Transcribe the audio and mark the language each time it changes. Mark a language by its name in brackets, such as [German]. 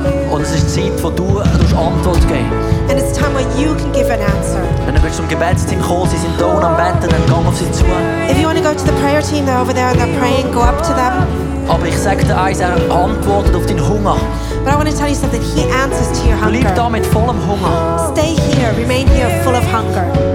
[German] Und es ist Zeit, wo du Antwort geben. [English] And it's time where you can give an answer. [German] Wenn du zum Gebetsteam kommst, sie sind da und am Betten, dann geh auf sie zu. [English] If you want to go to the prayer team, they're over there and they're praying, go up to them. [German] Aber ich sage dir eins, er antwortet auf deinen Hunger. [English] But I want to tell you something, he answers to your hunger. [German] Bleib da mit vollem Hunger. [English] Stay here, remain here full of hunger.